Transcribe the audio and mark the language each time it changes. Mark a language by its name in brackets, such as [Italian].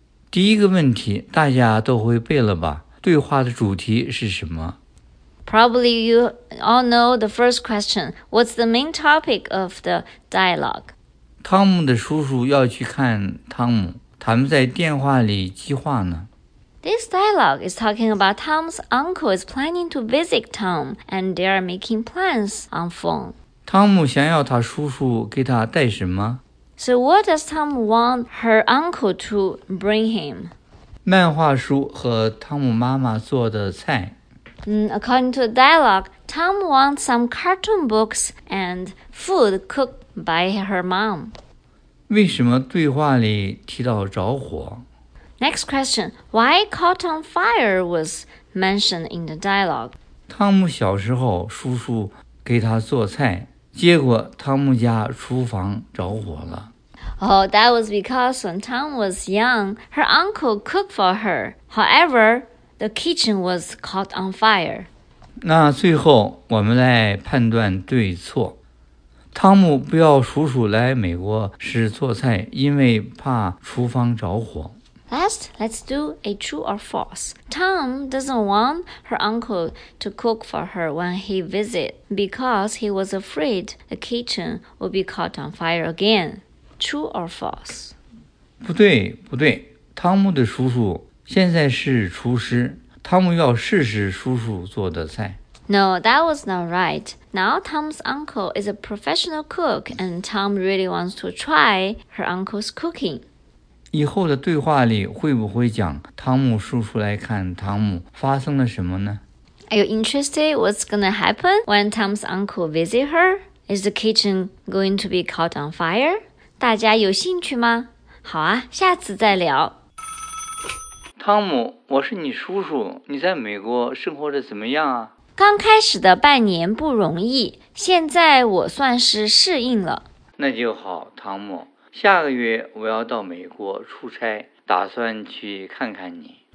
[Chinese] 第一个问题，大家都会背了吧？对话的主题是什么？ [English] Probably you all know the first question. What's the main topic of the dialogue? [Chinese] 汤姆的叔叔要去看汤姆，他们在电话里计划呢。 [English] This dialogue is talking about Tom's uncle is planning to visit Tom, and they are making plans on phone. [Chinese] 汤姆想要他叔叔给他带什么？ [English] So what does Tom want her uncle to bring him? [Chinese] 漫画书和汤姆妈妈做的菜。 [English] According to the dialogue, Tom wants some cartoon books and food cooked by her mom. [Chinese] 为什么对话里提到着火? [English] Next question, why caught on fire was mentioned in the dialogue? [Chinese] Tom 小时候叔叔给他做菜,结果 Tom 家厨房着火了。 [English] Oh, that was because when Tom was young, her uncle cooked for her. However,The kitchen was caught on fire. [Chinese] 那最后我们来判断对错。汤姆不要叔叔来美国时做菜，因为怕厨房着火。 [English] Last, let's do a true or false. Tom doesn't want her uncle to cook for her when he visits because he was afraid the kitchen would be caught on fire again. True or false? [Chinese] 不对，不对，汤姆的叔叔现在是厨师，汤姆要试试叔叔做的菜。 [English] No, that was not right. Now Tom's uncle is a professional cook, and Tom really wants to try her uncle's cooking. [Chinese] 以后的对话里会不会讲汤姆叔叔来看汤姆发生了什么呢? [English] Are you interested what's gonna happen when Tom's uncle visit her? Is the kitchen going to be caught on fire? [Chinese] 大家有兴趣吗?好啊,下次再聊。汤姆，我是你叔叔，你在美国生活的怎么样啊？刚开始的半年不容易，现在我算是适应了。那就好，汤姆。下个月我要到美国出差，打算去看看你。